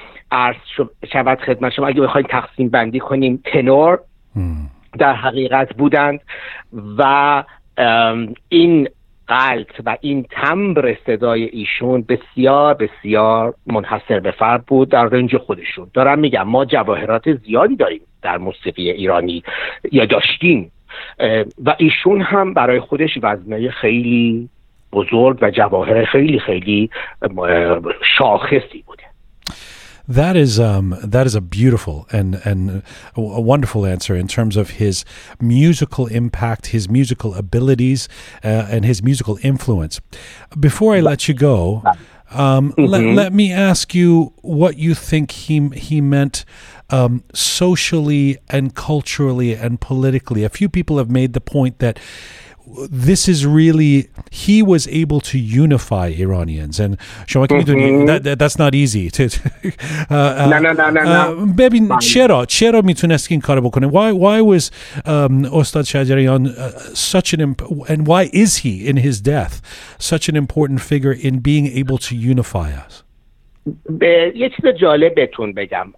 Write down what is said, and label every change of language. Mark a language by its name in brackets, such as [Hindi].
[Persian] عرض شود خدمت شما اگه بخواییم تقسیم بندی کنیم، تنور در حقیقت بودند و این قلط و این تمبر صدای ایشون بسیار بسیار منحصر به فرد بود در رنج خودشون. دارم میگم ما جواهرات زیادی داریم در موسیقی ایرانی یا داشتیم، و ایشون هم برای خودش وزنه خیلی بزرگ و جواهر خیلی خیلی شاخصی بوده. [English] That is a beautiful and a wonderful answer in terms of his musical impact, his musical abilities, and his musical influence. Before I let you go, let me ask you what you think he meant socially and culturally and politically. A few people have made the point that this is really, he was able to unify Iranians, and that's not easy. No. [Persian] چرا میتونست این کار بکنه? [English] Why was Ostad Shajarian such an and why is he in his death such an important figure in being able to unify us? [Persian] یه چیز جالب بهتون بگم.